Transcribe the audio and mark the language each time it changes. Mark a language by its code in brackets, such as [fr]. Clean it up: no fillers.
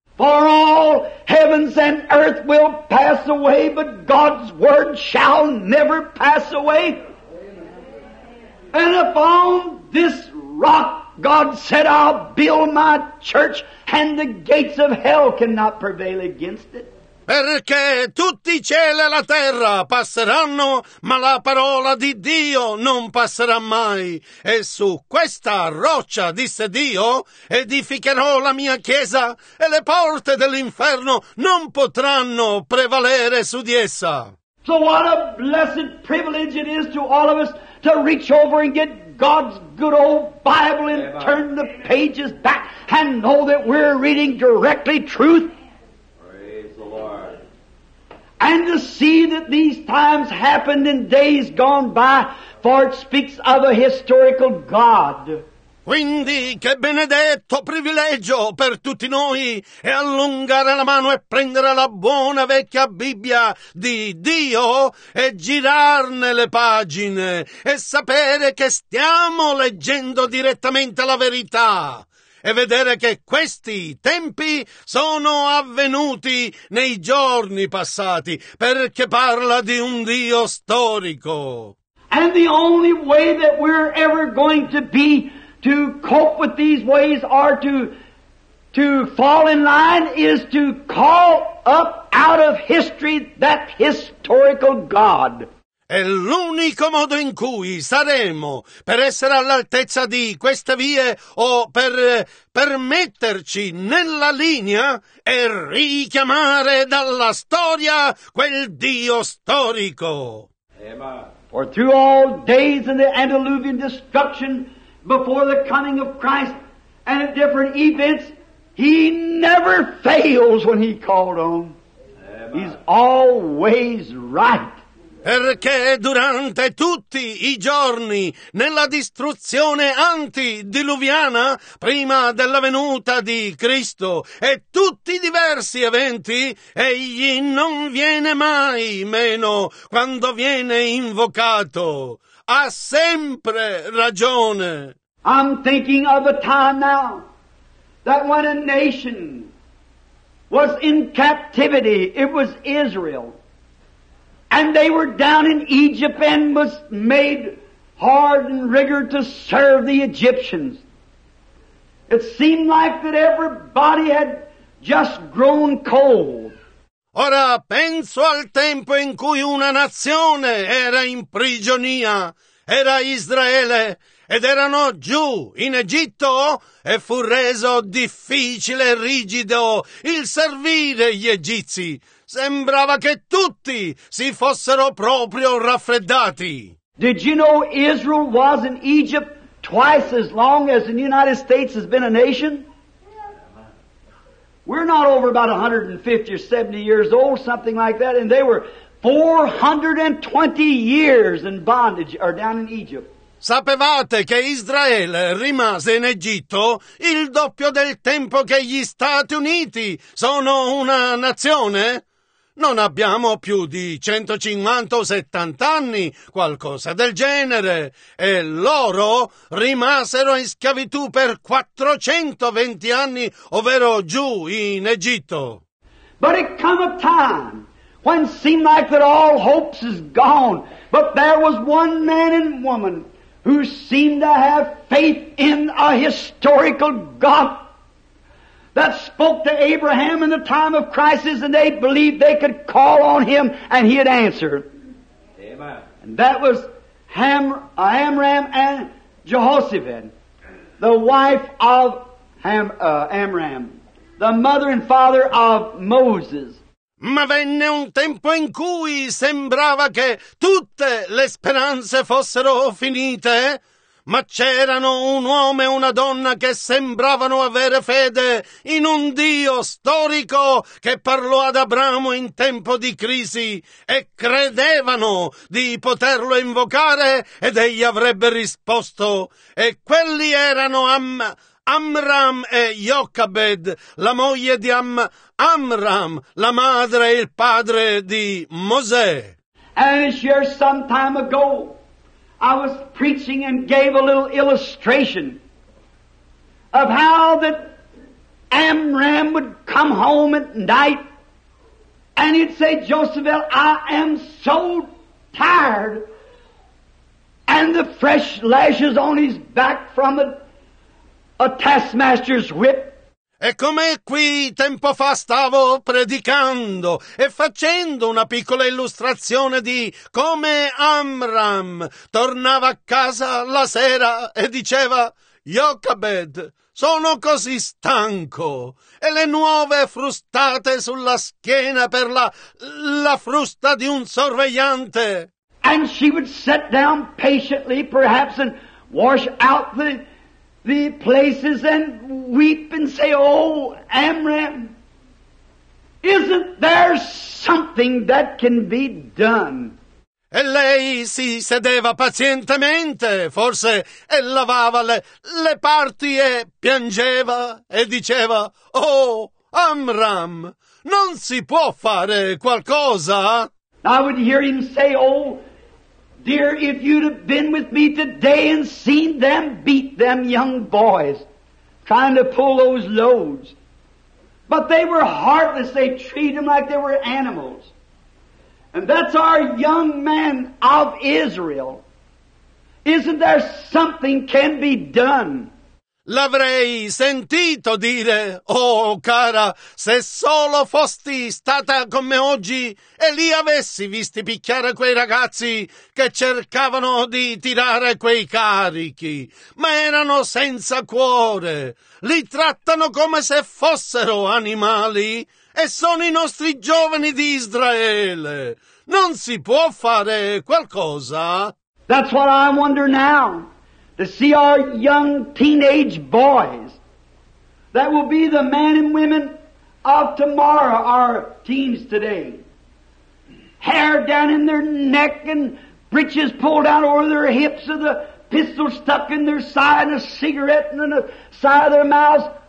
[en] For all heavens and earth will pass away, but God's word shall never pass away. And upon this rock, God said, I'll build my church, and the gates of hell cannot prevail against it. [it] Perché tutti i cieli e la terra passeranno, ma la parola di Dio non passerà mai. E su questa roccia, disse Dio, edificherò la mia chiesa, e le porte dell'inferno non potranno prevalere su di essa. [en] So what a blessed privilege it is to all of us to reach over and get God's good old Bible and turn the pages back and know that we're reading directly truth. And to see that these times happened in days gone by, for it speaks of a historical God. [it] Quindi, che benedetto privilegio per tutti noi è allungare la mano e prendere la buona vecchia Bibbia di Dio e girarne le pagine e sapere che stiamo leggendo direttamente la verità. E vedere che questi tempi sono avvenuti nei giorni passati, perché parla di un Dio storico. [en] And the only way that we're ever going to be to cope with these ways are to fall in line is to call up out of history that historical God. [it] E l'unico modo in cui saremo per essere all'altezza di queste vie o per metterci nella linea è richiamare dalla storia quel Dio storico. [en] For through all days in the antediluvian destruction before the coming of Christ and at different events, he never fails when he called on. He's always right. [it] Perché durante tutti i giorni, nella distruzione antidiluviana, prima della venuta di Cristo, e tutti i diversi eventi, egli non viene mai meno quando viene invocato. Ha sempre ragione. [en] I'm thinking of a time now that when a nation was in captivity, it was Israel. And they were down in Egypt and was made hard and rigor to serve the Egyptians. It seemed like that everybody had just grown cold. [it] Ora penso al tempo in cui una nazione era in prigionia, era Israele, ed erano giù in Egitto e fu reso difficile e rigido il servire gli egizi. Sembrava che tutti si fossero proprio raffreddati. [en] Did you know Israel was in Egypt twice as long as the United States has been a nation? We're not over about 150 or 70 years old, something like that, and they were 420 years in bondage or down in Egypt. [it] Sapevate che Israele rimase in Egitto il doppio del tempo che gli Stati Uniti sono una nazione? Non abbiamo più di 150 o 70 anni, qualcosa del genere. E loro rimasero in schiavitù per 420 anni, ovvero giù in Egitto. [en] But it come a time when it seemed like that all hopes is gone, but there was one man and woman who seemed to have faith in a historical God that spoke to Abraham in the time of crisis, and they believed they could call on him and he'd answer. Amen. And that was Amram and Jehoshaphat, the wife of Amram, the mother and father of Moses. [it] Ma venne un tempo in cui sembrava che tutte le speranze fossero finite, ma c'erano un uomo e una donna che sembravano avere fede in un Dio storico che parlò ad Abramo in tempo di crisi e credevano di poterlo invocare ed egli avrebbe risposto. E quelli erano Amram e Jochebed, la moglie di Amram, la madre e il padre di Mosè. [en] And it's here some time ago. I was preaching and gave a little illustration of how that Amram would come home at night and he'd say, Jochebed, I am so tired, and the fresh lashes on his back from a taskmaster's whip. [it] E come qui tempo fa stavo predicando e facendo una piccola illustrazione di come Amram tornava a casa la sera e diceva, Jochebed, sono così stanco e le nuove frustate sulla schiena per la frusta di un sorvegliante. [en] And she would sit down patiently perhaps and wash out the places and weep and say, oh, Amram, isn't there something that can be done? [it] E lei si sedeva pazientemente, forse, e lavava le parti e piangeva e diceva, oh, Amram, non si può fare qualcosa? [en] I would hear him say, oh, dear, if you'd have been with me today and seen them beat them young boys trying to pull those loads. But they were heartless. They treated them like they were animals. And that's our young men of Israel. Isn't there something can be done? [it] L'avrei sentito dire, oh cara, se solo fosti stata con me oggi e li avessi visti picchiare quei ragazzi che cercavano di tirare quei carichi, ma erano senza cuore, li trattano come se fossero animali e sono i nostri giovani di Israele. Non si può fare qualcosa? [en] That's what I wonder now. To see our young teenage boys that will be the men and women of tomorrow, our teens today, hair down in their neck and breeches pulled out over their hips and the pistol stuck in their side and a cigarette in the side of their mouths.